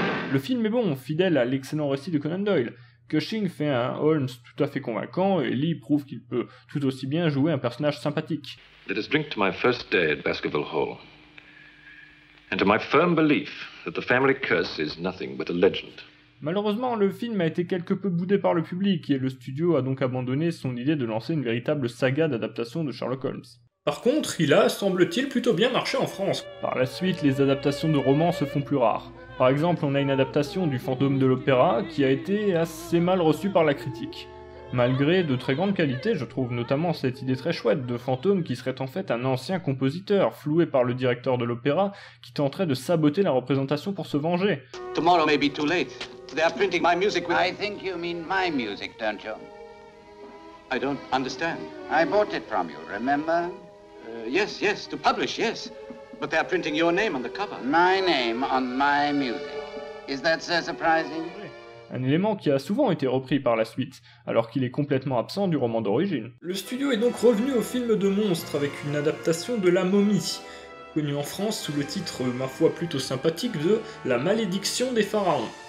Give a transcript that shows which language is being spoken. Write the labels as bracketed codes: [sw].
[fr] Le film est bon, fidèle à l'excellent récit de Conan Doyle. Cushing fait un Holmes tout à fait convaincant et Lee prouve qu'il peut tout aussi bien jouer un personnage sympathique. [en] Let us drink to my first day at Baskerville Hall. And to my firm belief that the family curse is nothing but a legend. [fr] Malheureusement, le film a été quelque peu boudé par le public et le studio a donc abandonné son idée de lancer une véritable saga d'adaptation de Sherlock Holmes. Par contre, il a, semble-t-il, plutôt bien marché en France. Par la suite, les adaptations de romans se font plus rares. Par exemple, on a une adaptation du Fantôme de l'Opéra qui a été assez mal reçue par la critique. Malgré de très grandes qualités, je trouve notamment cette idée très chouette de fantôme qui serait en fait un ancien compositeur, floué par le directeur de l'opéra, qui tenterait de saboter la représentation pour se venger. [en] Tomorrow may be too late. They are printing my music with... I think you mean my music, don't you? I don't understand. I bought it from you, remember? Yes, to publish, yes. But they are printing your name on the cover. My name on my music. Is that so surprising? [fr] Un élément qui a souvent été repris par la suite, alors qu'il est complètement absent du roman d'origine. Le studio est donc revenu au film de monstres avec une adaptation de La Momie, connue en France sous le titre, ma foi plutôt sympathique, de La Malédiction des Pharaons.